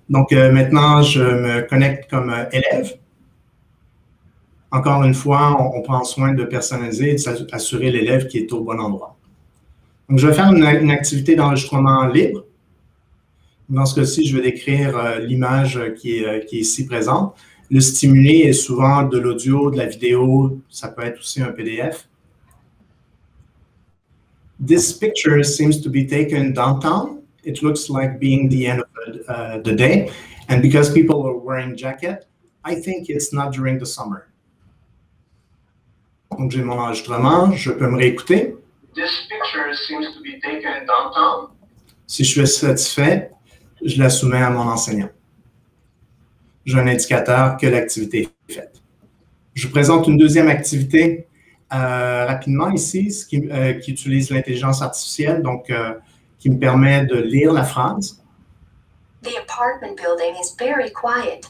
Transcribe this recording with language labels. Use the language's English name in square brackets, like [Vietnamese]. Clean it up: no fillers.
[French] Donc, maintenant, je me connecte comme élève. Encore une fois, on prend soin de personnaliser et de s'assurer l'élève qui est au bon endroit. Donc, je vais faire une activité d'enregistrement libre. Dans ce cas-ci, je vais décrire l'image qui est ici présente. Le stimuli est souvent de l'audio, de la vidéo, ça peut être aussi un PDF. [English] This picture seems to be taken downtown. It looks like being the end of the day. And because people are wearing jackets, I think it's not during the summer. [French] Donc, j'ai mon enregistrement, je peux me réécouter. [English] This picture seems to be taken downtown. [French] Si je suis satisfait, je la soumets à mon enseignant. J'ai un indicateur que l'activité est faite. Je vous présente une deuxième activité rapidement ici, qui utilise l'intelligence artificielle, donc qui me permet de lire la phrase. [English] The apartment building is very quiet.